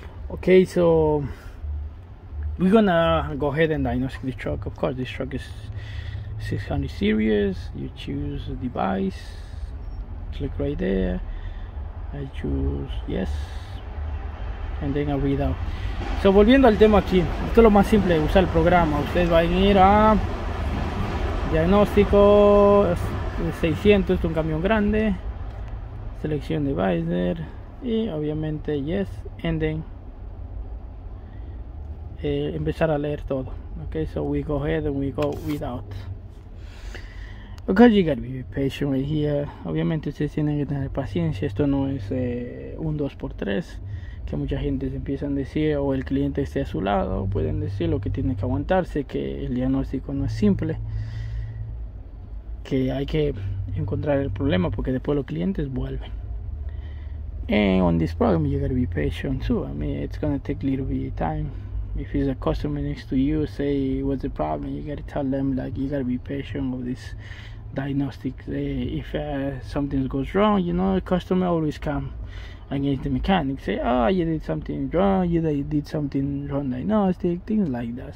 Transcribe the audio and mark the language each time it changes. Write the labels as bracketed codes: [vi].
[en] Okay, so we're gonna go ahead and diagnostic the truck. Of course, this truck is 600 series. You choose a device, click right there. I choose yes, and then I read out. [es] So, volviendo al tema aquí, esto es lo más simple: usar el programa. Ustedes van a ir a diagnóstico 600, es un camión grande. Selección de visor, y obviamente, [en] yes, and then. [es] Empezar a leer todo. [en] Okay, so we go ahead and we go without. Because you gotta be patient right here. [es] Obviamente ustedes tienen que tener paciencia. Esto no es un 2x3 que mucha gente se empieza a decir, o el cliente esté a su lado, pueden decir lo que tiene que aguantarse, que el diagnóstico no es simple, que hay que encontrar el problema porque después los clientes vuelven. [en] And on this problem you gotta be patient too. I mean, it's gonna take a little bit of time. If it's a customer next to you, say what's the problem, you gotta tell them, like, you gotta be patient with this diagnostic. If something goes wrong, you know, the customer always come against the mechanic, say, oh, you did something wrong, you did something wrong diagnostic, things like that.